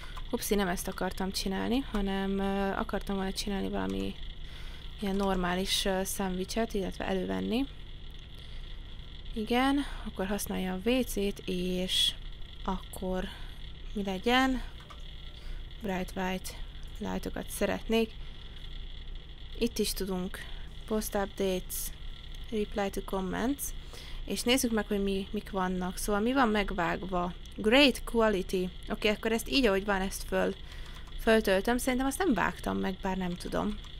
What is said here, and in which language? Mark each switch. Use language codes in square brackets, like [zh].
[hu] Hupszi, nem ezt akartam csinálni, hanem akartam volna csinálni valami ilyen normális szendvicset, illetve elővenni. Igen, akkor használja a WC-t, és akkor mi legyen? Bright White light-okat szeretnék. Itt is tudunk. [en] Post updates, reply to comments. [hu] És nézzük meg, hogy mik vannak. Szóval mi van megvágva? [en] Great quality. [hu] Oké, akkor ezt így, ahogy van, ezt föltöltöm. Szerintem azt nem vágtam meg, bár nem tudom.